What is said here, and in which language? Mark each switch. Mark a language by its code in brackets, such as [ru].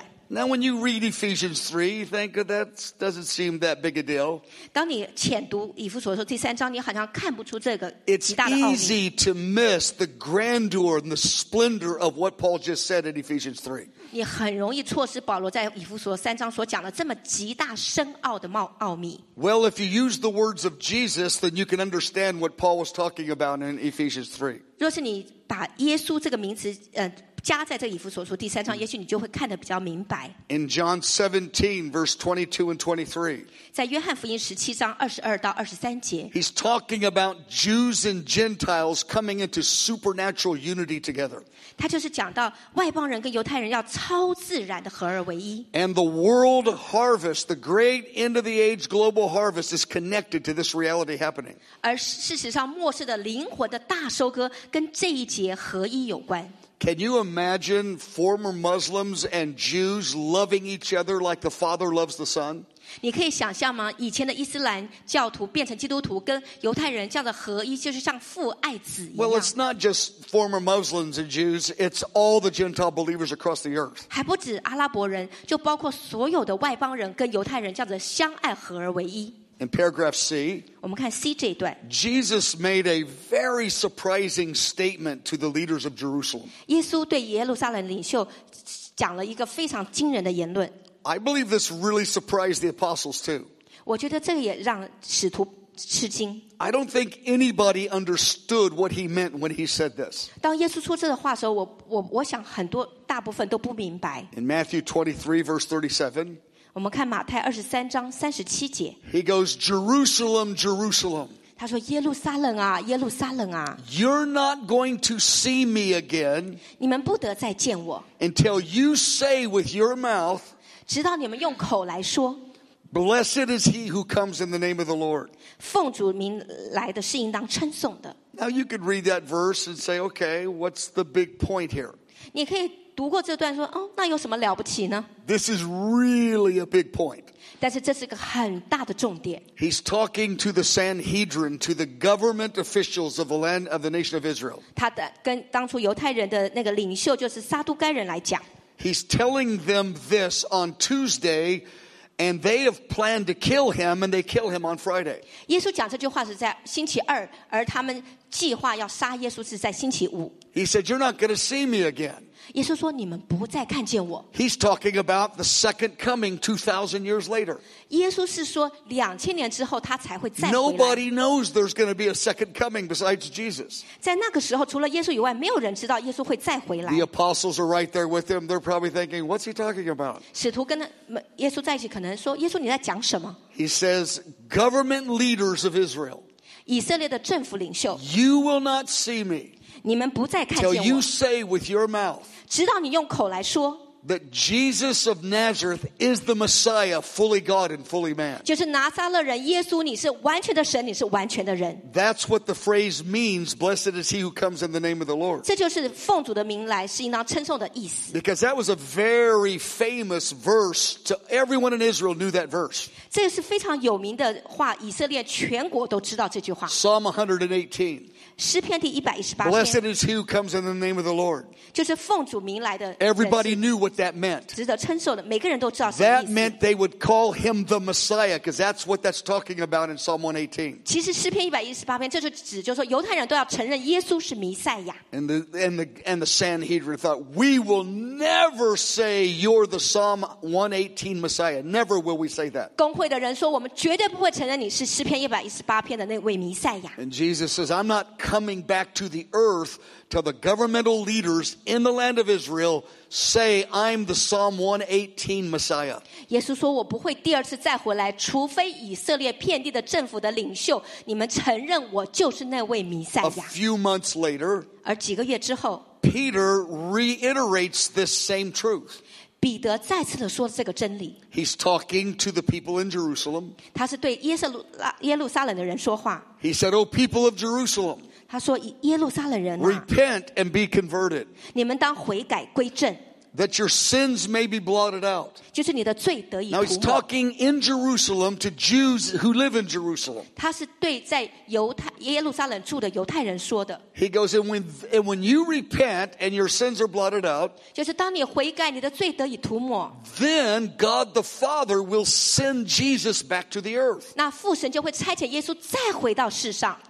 [en] Now, when you read Ephesians 3, you think that doesn't seem that big a deal. It's easy to miss the grandeur and the splendor of what Paul just said in Ephesians 3. [zh] 你很容易错失保罗在以弗所三章所讲的这么极大深奥的奥秘。 [en] Well, if you use the words of Jesus, then you can understand what Paul was talking about in Ephesians 3. [zh] 若是你把耶稣这个名词加在这以弗所书第三章，也许你就会看得比较明白。 [en] In John 17, verse 22 and 23. [zh] 在约翰福音17章22到23节。 [en] He's talking about Jews and Gentiles coming into supernatural unity together. [zh] 他就是讲到外邦人跟犹太人要超自然的合而为一。 [en] And the world harvest, the great end of the age global harvest is connected to this reality happening. [zh] 而事实上末世的灵魂的大收割跟这一节合一有关。 [en] Can you imagine former Muslims and Jews loving each other like the Father loves the Son? [zh] 你可以想象吗？以前的伊斯兰教徒变成基督徒，跟犹太人这样的合一，就是像父爱子一样。 [en] Well, it's not just former Muslims and Jews; it's all the Gentile believers across the earth. [zh] 还不止阿拉伯人，就包括所有的外邦人跟犹太人这样子相爱合而为一。 [en] In paragraph C, [zh] 我们看 C 这一段 [en] Jesus made a very surprising statement to the leaders of Jerusalem. [zh] 耶稣对耶路撒冷领袖讲了一个非常惊人的言论 [en] I believe this really surprised the apostles too. [zh] 我觉得这个也让使徒吃惊 [en] I don't think anybody understood what he meant when he said this. [zh] 当耶稣说这个话的时候 我想很多大部分都不明白 [en] In Matthew 23, verse 37, [zh] 我们看马太二十三章三十七节。 [en] He goes, Jerusalem, Jerusalem. [zh] 他说耶路撒冷啊耶路撒冷啊。 [en] You're not going to see me again. [zh] 你们不得再见我。 [en] Until you say with your mouth. [zh] 直到你们用口来说。 [en] Blessed is he who comes in the name of the Lord. [zh] 奉主名来的是应当称颂的。 [en] Now you could read that verse and say, okay, what's the big point here? [zh] 你可以读过这段说哦，那有什么了不起呢 [en] This is really a big point. [zh] 但是这是个很大的重点 [en] He's talking to the Sanhedrin, to the government officials of the land of the nation of Israel. [zh] 他的跟当初犹太人的那个领袖就是撒都该人来讲 [en] He's telling them this on Tuesday, and they have planned to kill him, and they kill him on Friday. [zh] 耶稣讲这句话是在星期二，而他们计划要杀耶稣是在星期五。 [en] He said, "You're not going to see me again." [zh] 耶稣说你们不再看见我。 [en] He's talking about the second coming 2,000 years later. [zh] 耶稣是说两千年之后他才会再回来。 [en] Nobody knows there's going to be a second coming besides Jesus. [zh] 在那个时候除了耶稣以外没有人知道耶稣会再回来。 [en] The apostles are right there with him. They're probably thinking, "What's he talking about?" [zh] 使徒跟耶稣在一起可能说耶稣你在讲什么 [en] ？He says, "Government leaders of Israel." [zh] 以色列的政府领袖 [en] "You will not see me." [zh] 你们不再看见我。 [en] Till you say with your mouth, [zh] 直到你用口来说。 [en] That Jesus of Nazareth is the Messiah, fully God and fully man. [zh] 就是拿撒勒人耶稣，你是完全的神，你是完全的人。 [en] That's what the phrase means. Blessed is he who comes in the name of the Lord. [zh] 这就是奉主的名来是应当称颂的意思。 [en] Because that was a very famous verse. To everyone in Israel knew that verse. [zh] 这是非常有名的话，以色列全国都知道这句话。 [en] Psalm 118. [zh] 诗篇第118篇 [en] Blessed is he who comes in the name of the Lord. [zh] 就是奉主名来的 [en] Everybody knew what that meant. [zh] 值得称颂的每个人都知道什么意思 [en] That meant they would call him the Messiah, because that's what that's talking about in Psalm 118. [zh] 其实诗篇118篇这是指就是说犹太人都要承认耶稣是弥赛亚 [en] And the Sanhedrin thought, we will never say you're the Psalm 118 Messiah. Never will we say that. [zh] 公会的人说我们绝对不会承认你是诗篇118篇的那位弥赛亚 [en] And Jesus says, I'm not coming back to the earth till the governmental leaders in the land of Israel say I'm the Psalm 118 Messiah. [zh] 耶稣说我不会第二次再回来除非以色列遍地的政府的领袖你们承认我就是那位弥赛亚。 [en] A few months later, [zh] 而几个月之后, [en] Peter reiterates this same truth. [zh] 彼得再次地说这个真理。 [en] He's talking to the people in Jerusalem. [zh] 他是对耶路撒冷的人说话。 [en] He said, O people of Jerusalem, [zh] 他说耶路撒冷人啊, [en] repent and be converted. [zh] 你们当悔改归正。 [en] That your sins may be blotted out. [zh] 就是你的罪得以涂抹。 [en] Now he's talking in Jerusalem to Jews who live in Jerusalem. [zh] 他是对在耶路撒冷住的犹太人说的。 [en] He goes, and when you repent and your sins are blotted out, [zh] 就是当你悔改你的罪得以涂抹。 [en] Then God the Father will send Jesus back to the earth. [zh] 那父神就会差遣耶稣再回到世上。